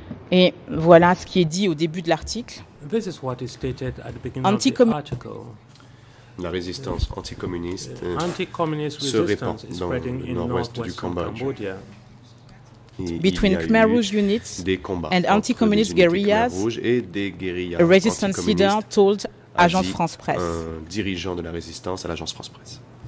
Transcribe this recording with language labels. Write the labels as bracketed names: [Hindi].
[French] Et voilà ce qui est dit au début de l'article. [English] This is what is stated at the beginning of the article. [French] La résistance anticommuniste [English] anti-communist [French] se répand dans le nord-ouest du Cambodge. [English] Cambodia. Between Khmer Rouge units and anti-communist guerrillas, a resistance leader told Agence France Presse. [French] Un dirigeant de la résistance à l'Agence France Presse.